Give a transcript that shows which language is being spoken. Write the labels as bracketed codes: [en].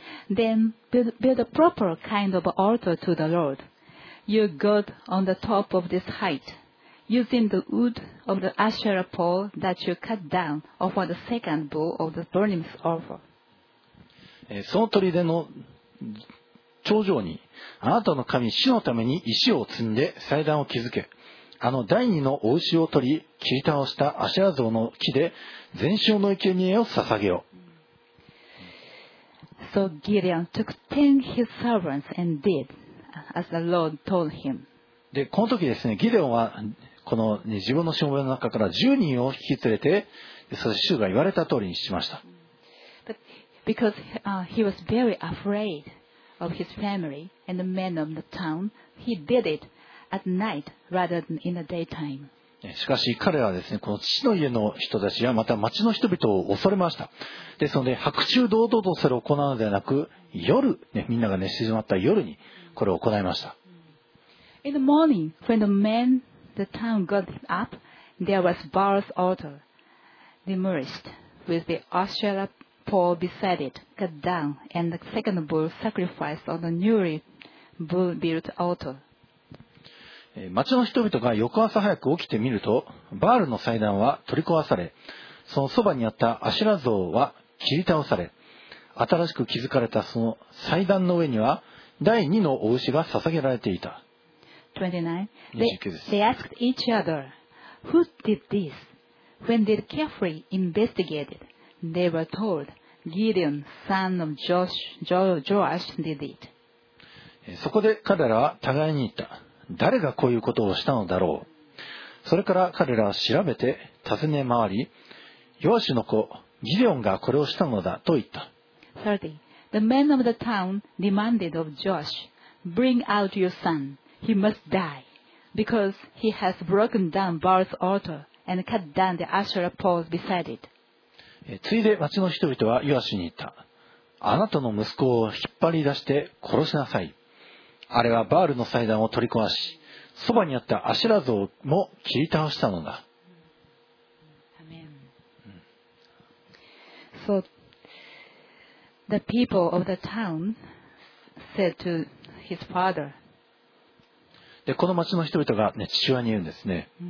[en] Then build a proper kind of altar to the Lord, your God, on the top of this height, using the wood of the Asherah pole that you cut down for the second bull of the burning offer. [ja] その砦の頂上に、あなたの神主のために石を積んで祭壇を築け。あの第二の牡牛を取り、切り倒したアシェラ像の木で全焼の生贄を捧げよう。 [en] So Gideon took 10 his servants and did as the Lord told him. [ja] で、この時ですね、ギデオンはこの、ね、自分のしもべの中から10人を引き連れて、そして主が言われた通りにしました。 [en] But because he was very afraid of his family and the men of the town, he did it at night rather than in the daytime. [ja] しかし彼はですね、この父の家の人たちやまた町の人々を恐れました。ですので白昼堂々とそれを行うのではなく、夜、ね、みんなが寝静まった夜にこれを行いました。 [en] In the morning, when the men the town got up, there was Baal's altar demolished with the Asherah pole beside it cut down and the second bull sacrificed on the newly built altar. [ja] 町の人々が翌朝早く起きてみると、バールの祭壇は取り壊され、そのそばにあったアシラ像は切り倒され、新しく築かれたその祭壇の上には、第二の牡牛が捧げられていた。 [en] 29. They asked each other, who did this? When they carefully investigated, they were told, Gideon, son of Joash, did it. [ja] そこで彼らは互いに言った。誰がこういうことをしたのだろう。それから彼らは調べて尋ね回り、ヨアシの子ギデオンがこれをしたのだと言った。 [en] 30. The men of the town demanded of Joash, bring out your son. He must die, because he has broken down Baal's altar and cut down the Asherah poles beside it. [ja] ついで町の人々はヨアシに言った。あなたの息子を引っ張り出して殺しなさい。あれはバールの祭壇を取り壊し、そばにあったアシラ像も切り倒したのだ。アメン。 [en] So, the people of the town said to his father. [ja] で、この町の人々が、ね、父親に言うんですね。